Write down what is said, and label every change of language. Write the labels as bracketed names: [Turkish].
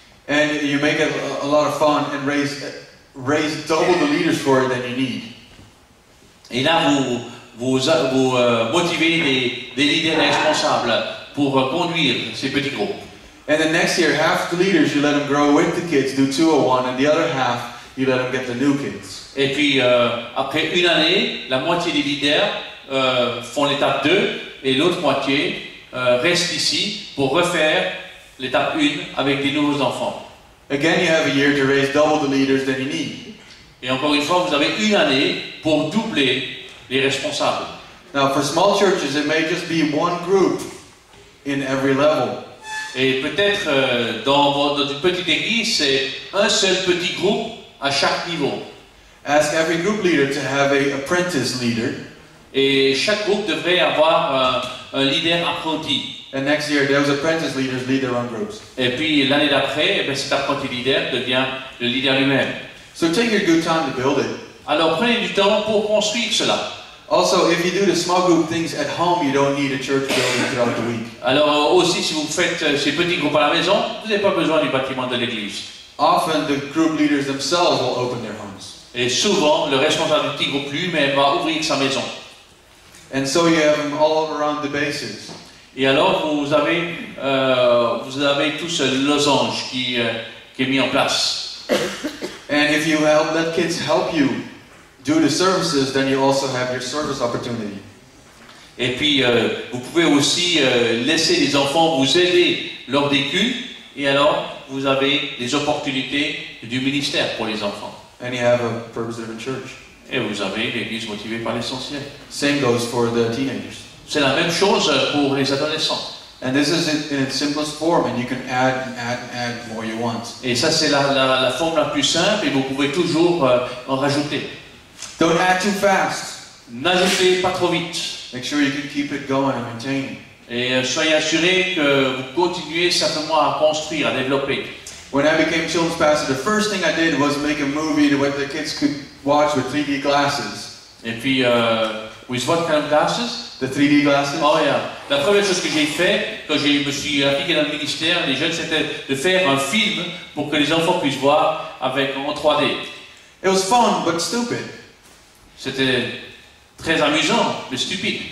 [English] And you make a lot of fun and raise double the leaders for it than you need. [French] Et là vous motivez des leaders responsables pour conduire ces petits groupes. [English] And the next year half the leaders you let them grow with the kids do 201 and the other half you let them get the new kids. [French] Et puis après une année, la moitié des leaders font l'étape 2 et l'autre moitié reste ici pour refaire l'étape 1 avec des nouveaux enfants. [English] Again, you have a year to raise double the leaders that you need. [French] Et encore une fois, vous avez une année pour doubler les responsables. [English] Now, for small churches, it may just be one group in every level. [French] Et peut-être dans une petite église, c'est un seul petit groupe à chaque niveau. [English] Ask every group leader to have an apprentice leader. [French] Et chaque groupe devrait avoir un leader apprenti. [English] And next year, those apprentice leaders lead their own groups. [French] Et puis l'année d'après, eh bien, cet apprenti leader devient le leader lui-même. [English] So take your good time to build it. [French] Alors prenez du temps pour construire cela. [English] Also, if you do the small group things at home, you don't need a church building throughout the week. [French] Alors aussi, si vous faites ces petits groupes à la maison, vous n'avez pas besoin du bâtiment de l'église. [English] Often, the group leaders themselves will open their homes. [French] Et souvent, le responsable du petit groupe lui-même va ouvrir sa maison. [English] And so you have them all around the bases. [French] Et alors, vous avez tout ce losange qui est mis en place. [English] And if you help let kids help you do the services, then you also have your service opportunity. [French] Et puis, vous pouvez aussi laisser les enfants vous aider lors des cultes, et alors, vous avez les opportunités du ministère pour les enfants. [English] And you have a purpose-driven church. [French] Et vous avez l'église motivée par l'essentiel. [English] Same goes for the teenagers. [French] C'est la même chose pour les adolescents. [English] And this is in its simplest form, and you can add and add and add more you want. [French] Et ça, c'est la forme la plus simple, et vous pouvez toujours en rajouter. [English] Don't add too fast. [French] N'ajoutez pas trop vite. [English] Make sure you can keep it going and maintain. [French] Et soyez assuré que vous continuez simplement à construire, à développer. [English] When I became children's pastor, the first thing I did was make a movie that the kids could watch with 3D glasses. [French] Et puis, [English] with what kind of glasses? The 3D glasses. Oh yeah. [French] La première chose que j'ai fait quand je me suis impliqué dans le ministère des jeunes, c'était de faire un film pour que les enfants puissent voir avec en 3D. [English] It was fun but stupid. [French] C'était très amusant, mais stupide.